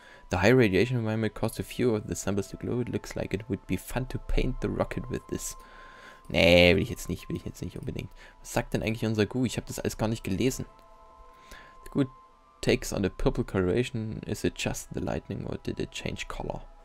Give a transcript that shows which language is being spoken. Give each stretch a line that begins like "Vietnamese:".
English: The high radiation environment caused a few of the samples to glow. It looks like it would be fun to paint the rocket with this.
German: Nee, will ich jetzt nicht unbedingt. Was sagt denn eigentlich unser Goo? Ich habe das alles gar nicht gelesen.
English: The Goo takes on a purple coloration. Is it just the lightning or did it change color?